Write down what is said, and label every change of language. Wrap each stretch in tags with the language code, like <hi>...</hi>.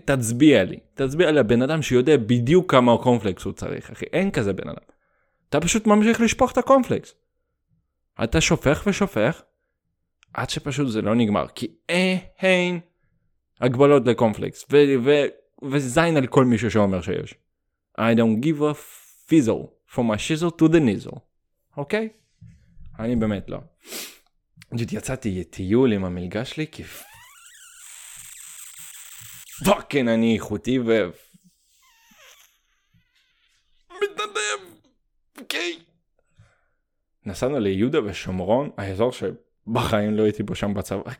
<he>תצביע לי הבן אדם שיודע בדיוק כמה הקונפלקס הוא צריך, אחי, אין כזה בן אדם. אתה פשוט ממשיך לשפוך את הקונפלקס. אתה שופך ושופך, עד שפשוט זה לא נגמר, כי אין הגבלות לקונפלקס, וזיין על כל מישהו שאומר שיש.</he> <en>I don't give a fizzle from a shizzle to the nizzle, אוקיי?</en> <he>אני באמת לא. דוד, יצאתי טיול עם המלגה שלי, כי... פאקינג, אני איכותי ו... מתנדב! אוקיי! נסענו ליהודה ושומרון, האזור שבחיים לא הייתי בו שם בצבא.</he>